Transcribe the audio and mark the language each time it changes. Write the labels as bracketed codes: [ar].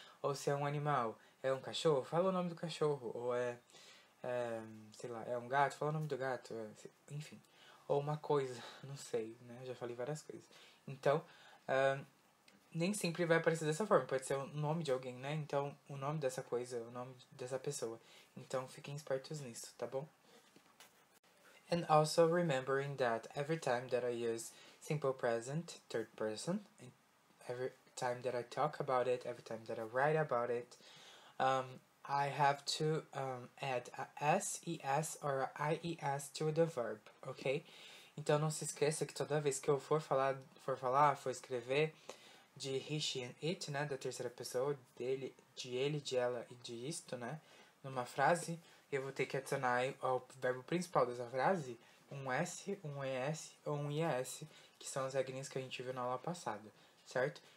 [pt] Ou se é um animal, é um cachorro, fala o nome do cachorro. Ou sei lá, é um gato, fala o nome do gato. Enfim. Ou uma coisa, não sei, né? Já falei várias coisas. Então, nem sempre vai aparecer dessa forma. Pode ser o nome de alguém, né? Então, o nome dessa coisa, o nome dessa pessoa. Então, fiquem espertos nisso, tá bom? [en] And also remembering that every time that I use simple present, third person, every time that I talk about it, every time that I write about it, I have to add a SES or a IES to the verb, ok? [pt] Então não se esqueça que toda vez que eu for escrever de he, she and it, né, da terceira pessoa, dele, de ele, de ela e de isto, né, numa frase, eu vou ter que adicionar ao verbo principal dessa frase um S, um ES ou um IES, que são as regrinhas que a gente viu na aula passada, certo?